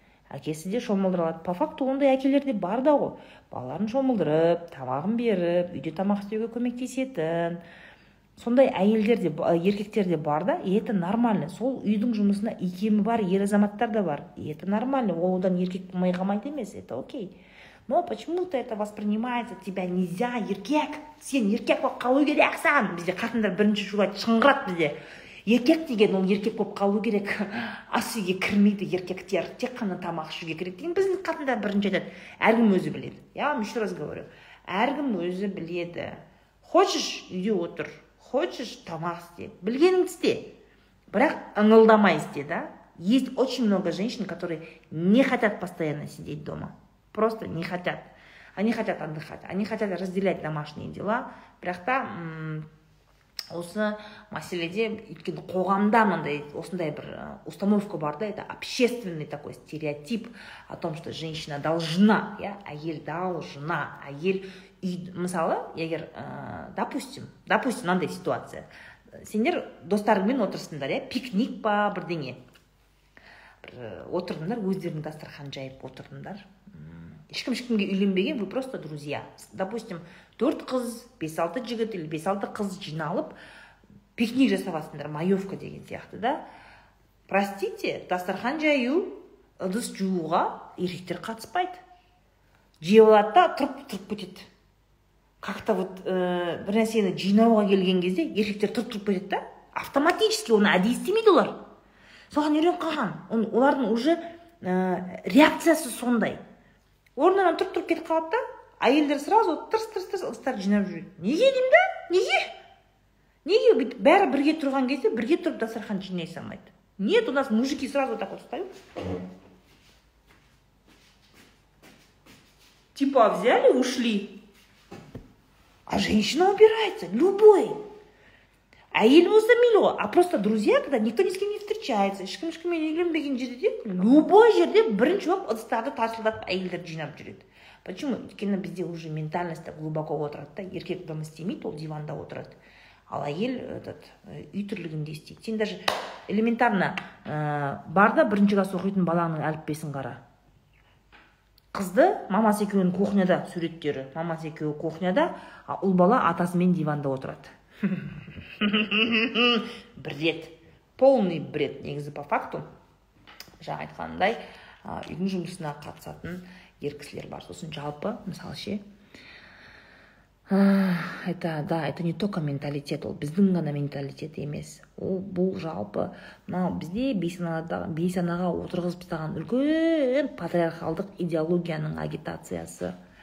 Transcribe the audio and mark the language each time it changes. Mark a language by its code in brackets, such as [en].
[kk] Әкесі де шомылдыра алады. [ru] По факту [kk] ондай әкелер де бар да ғой. Балаларын шомылдырып, тамағын беріп, үйде тамақ істеуге көмектесетін. Сондай әйелдер де, еркектер де бар да, [ru] и это нормально. [kk] Сол үйдің жұмысына икемі бар, ер азаматтар да бар. [ru] И это нормально. [kk] Олдан еркек майғамайды емес, [ru] это окей. Но почему-то это воспринимается, тебя нельзя, еркек. [kk] Сен еркек болып қалу керексің. Бізде қатындар бірінші шулай шыңғырады бізде. Еркек деген ол еркек болып қалу керек. Ас үйге кірмейді еркектер. Тек қана тамақ ішуге керек деген біздің қатындар бірінші айтады. Әркім өзі біледі. [ru] Я вам еще раз говорю. [kk] Әркім өзі біледі. [ru] Хочешь [kk] үйде отыр. Хочешь тамақ істе. Білгеніңді істе. Бірақ ыңылдамай істе, да? [ru] Есть очень много женщин, которые не хотят постоянно сидеть дома. Просто не хотят. Они хотят отдыхать. Они хотят разделять домашние дела. [kk] Бірақ та осы мәселеде, өйткені қоғамда осындай бір установка бар да, [ru] это общественный такой стереотип о том, что женщина должна, әйел должна, [kk] әйел үй, мысалы, егер, [ru] допустим, мынандай ситуация. [kk] Сендер достарыңмен отырсыңдар, пикник па, бірдеңе. Бір отырдыңдар, өздерің дастархан жайып отырдыңдар. Ешкім-шкімге үйленбеген, [ru] вы просто друзья. [kk] Допустим, 4 қыз, 5-6 жігіт или 5-6 қыз жиналып, пикник жасаватсыңдар, майовка деген сияқты, да? [ru] Простите, [kk] дастархан жаю, ыдыс жууға еркектер қатыспайды. Жей алады да, тұрып-тұрып кетеді. [ru] Как-то вот [kk] бір нәрсені жинауға келген кезде еркектер тұрып-тұрып кетеді да? [ru] Автоматически [kk] оны әдейі істемейді олар. Соған үйреніп қалған. Олардың уже реакциясы сондай. Орнынан тұрып-тұрып кетіп қалады да, әйелдер сразу тырс-тырс-тырс ыстар жинап жүреді. Неге деймін да? Неге? Неге бәрі бірге тұрған кезде бірге тұрып дастархан жинай салмайды? [ru] Нет, у нас мужики сразу так вот встают. Типа взяли, ушли. А женщина убирается. Любой. [kk] Әйел болса мейлі ғой, [ru] а просто друзья, когда никто ни с кем не встречается, [kk] ешкім-ешкіммен үйленбеген жерде, любой жерде бірінші болып ыдыстарды тарсылдатып әйелдер жинап жүреді. Почему? Өйткені бізде [ru] уже ментальность глубоко [kk] отырады да, еркек дома істемейді, ол диванда отырады. Ал әйел этот үй тірлігінде істейді. Сен [ru] даже элементарно [kk] барда бірінші класс оқитын баланың әліппесін қара. Қызды мамасы екеуінің кухняда суреттері. Мамасы екеуі кухняда, а ұл бала атасымен диванда отырады. [ru] Бред. Полный бред, [kk] негізі [ru] по факту. [kk] Жаңа айтқанымдай, үйдің жұмысына қатысатын ер кісілер бар. Сосын жалпы, мысалы ше. [ru] Это да, это не только менталитет, [kk] ол біздің ғана менталитет емес. Ол бұл жалпы, мынау бізде бейсанаға отырғызып тастаған үлкен патриархалдық идеологияның агитациясы.